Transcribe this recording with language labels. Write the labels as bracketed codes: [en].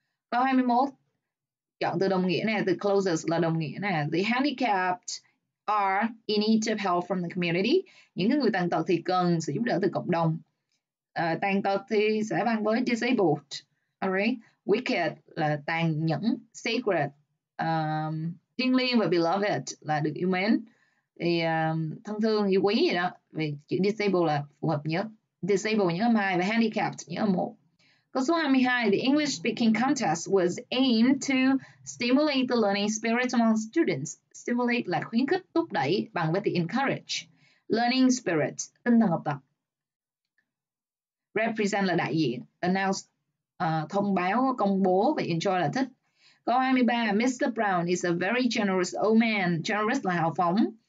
[vi] Câu 21, chọn từ đồng nghĩa này, từ closest là đồng nghĩa này. [en] The handicapped are in need of help from the community. [vi] Những người tàn tật thì cần sự giúp đỡ từ cộng đồng. Tàn tật thì sẽ bằng với disabled. Alright. Wicked là tàn nhẫn, sacred, thiêng liêng và beloved là được yêu mến, thì thân thương, yêu quý gì đó. Vì chữ disabled là phù hợp nhất. Disabled nhớ âm 2 và handicapped nhớ âm 1. Câu số 22, [en] the English speaking contest was aimed to stimulate the learning spirit among students. [vi] Stimulate là khuyến khích, thúc đẩy bằng với the encourage. Learning spirit, tinh thần học tập. Represent là đại diện. Announce, thông báo, công bố và enjoy là thích. Câu 23, [en] Mr. Brown is a very generous old man. Generous [vi] là hào phóng.